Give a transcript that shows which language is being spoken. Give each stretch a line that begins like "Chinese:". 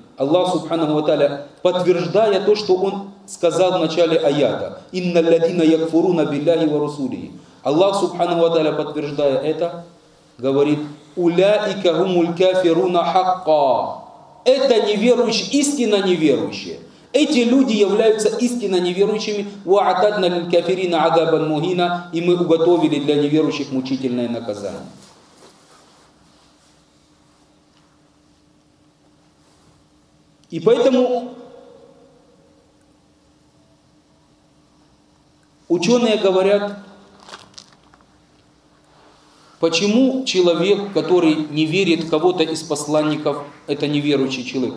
Russian: Аллах Субханаху ва тааля, подтверждая то, что Он сказал в начале аята.
Arabic: «Инна ладина якфуруна билляхи ва русулихи».
Russian: Аллах Субханаху ва тааля, подтверждая это, говорит
Arabic: «Уляика хумуль кафируна хакка».
Russian: Это неверующие, истинно неверующие. Эти люди являются истинно неверующими.
Arabic: وَعَتَدْنَا لِلْكَافِرِينَ عَذَابًا مُهِينًا.
Russian: И мы уготовили для неверующих мучительное наказание. И поэтому ученые говорят, почему человек, который не верит в кого-то из посланников, это неверующий человек.